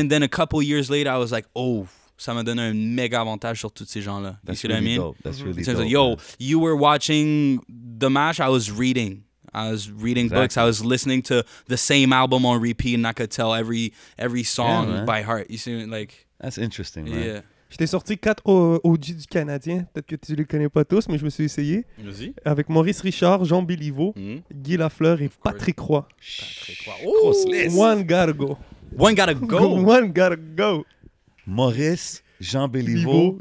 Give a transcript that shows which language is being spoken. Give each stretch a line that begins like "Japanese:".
English: And then a couple years later, I was like oh.
French: Ça m'a donné un méga avantage sur tous ces gens-là.
English: That's you see really what I mean? Dope. That's really dope. Like, yo, you were watching the match, I was reading. I was reading exactly. books. I was listening to the same album on repeat and I could tell every song by heart. You see, like, that's interesting, man. Yeah.
French: Je t'ai sorti 4 OG du Canadien. Peut-être que tu ne les connais pas tous, mais je me suis essayé. Vas-y. Avec Maurice Richard, Jean Béliveau, Guy Lafleur et Patrick Roy. Grosse liste.
English: One gotta go.
French: Maurice, Jean Béliveau,